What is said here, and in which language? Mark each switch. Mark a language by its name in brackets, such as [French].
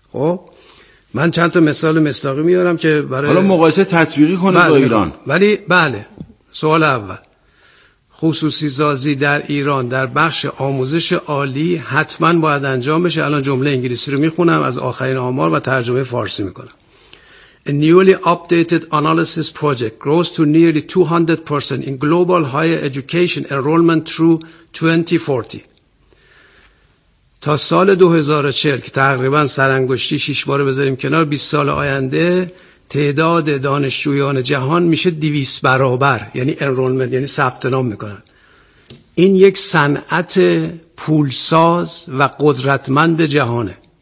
[Persian] خب من چند تا مثال مستاقی میارم که برای حالا مقایسه تطبیقی کنه با ایران. ولی بله، سوال اول، خصوصی سازی در ایران در بخش آموزش عالی حتما باید انجام بشه. الان جمله انگلیسی رو میخونم از آخرین آمار و ترجمه فارسی میکنم. [English] A newly updated analysis project grows to nearly 200% in global higher education enrollment through 2040. [Persian] تا سال 2040 که تقریبا سرانگشتی 6 بار بذاریم کنار، 20 سال آینده، تعداد دانشجویان جهان میشه 200 برابر، یعنی انرولمنت، یعنی ثبت نام میکنن. این یک صنعت پولساز و قدرتمند جهانه.